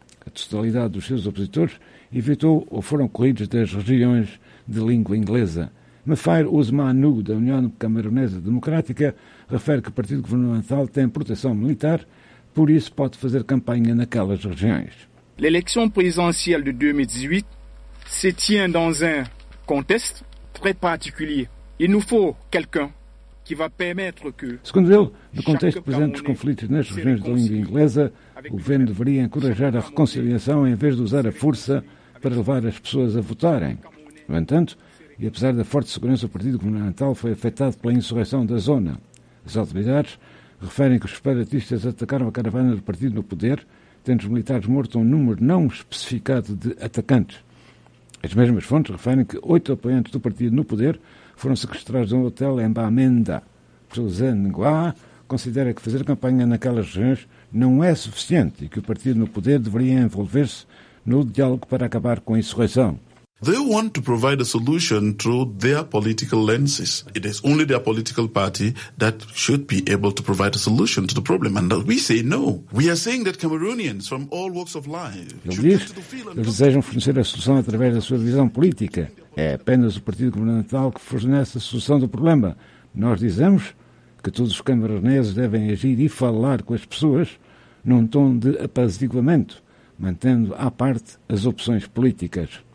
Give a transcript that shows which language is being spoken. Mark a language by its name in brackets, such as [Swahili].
[Portuguese] A totalidade dos seus opositores evitou ou foram corridos das regiões de língua inglesa. Mafair Ousmane, da União Camaronesa Democrática, refere que o Partido Governamental tem proteção militar, por isso pode fazer campanha naquelas regiões. A eleição presidencial [French] de 2018 se tient dans un contexte très particulier. Il nous faut quelqu'un qui va permettre que. [Portuguese] Segundo ele, no contexto presente dos conflitos nas regiões de língua inglesa, o governo deveria encorajar a reconciliação em vez de usar a força para levar as pessoas a votarem. No entanto, e apesar da forte segurança, o Partido Governamental foi afetado pela insurreição da zona. As autoridades referem que os separatistas atacaram a caravana do partido no poder, tendo os militares morto um número não especificado de atacantes. As mesmas fontes referem que 8 apoiantes do partido no poder foram sequestrados de um hotel em Bamenda. José Nguá considera que fazer campanha naquelas regiões não é suficiente e que o partido no poder deveria envolver-se no diálogo para acabar com a insurreição. [English] They want to provide a solution through their political lenses. It is only their political party that should be able to provide a solution to the problem. And we say no. We are saying that Cameroonians from all walks of life should get to the field. [Portuguese] Eles desejam fornecer a solução através da sua visão política. É apenas o Partido Governamental que fornece a solução do problema. Nós dizemos que todos os camaroneses devem agir e falar com as pessoas num tom de apaziguamento, mantendo à parte as opções políticas.